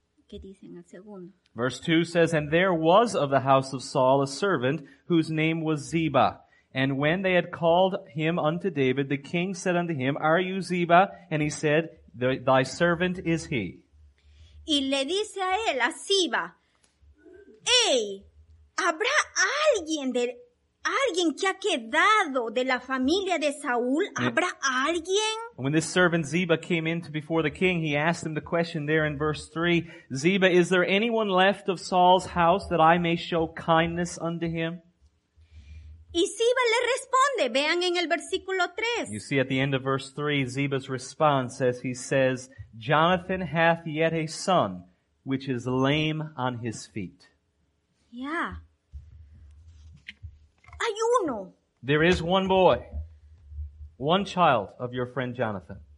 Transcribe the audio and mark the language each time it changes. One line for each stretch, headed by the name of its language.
Spanish: ¿Qué dicen el segundo?
English: Verse 2 says, and there was of the house of Saul a servant whose name was Ziba. And when they had called him unto David, the king said unto him, are you Ziba? And he said, thy servant is he.
Spanish: Y le dice a él, a Ziba, hey, ¿habrá alguien que ha quedado de la familia de Saúl? ¿Habrá alguien?
English: When this servant Ziba came in before the king, he asked him the question there in verse 3. Ziba, is there anyone left of Saul's house that I may show kindness unto him?
Spanish: Y Ziba le responde, vean en el versículo 3.
English: You see at the end of verse 3, Ziba's response as he says, Jonathan hath yet a son, which is lame on his feet. Yeah.
Spanish: Hay uno.
English: There is one boy. One child of your friend Jonathan.